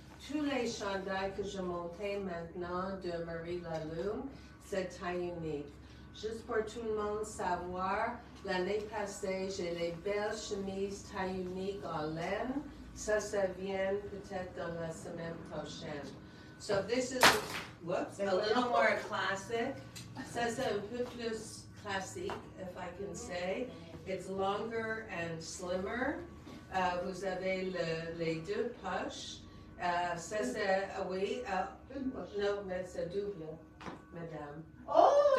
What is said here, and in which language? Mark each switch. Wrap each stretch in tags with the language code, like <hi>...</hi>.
<fr>Tous les chandails que je montais maintenant de Marie Lalume, c'est taille unique. Juste pour tout le monde savoir, l'année passée, j'ai les belles chemises taille unique en laine. Ça vient peut-être dans la semaine prochaine.</fr> <en>So this is, whoops, a little more classic.</en> <fr>Ça c'est un peu plus classique,</fr> <en>if I can say. It's longer and slimmer.</en> <fr>Vous avez les deux poches. Ça c'est, oui. Non, mais c'est double, madame. Oh!</fr>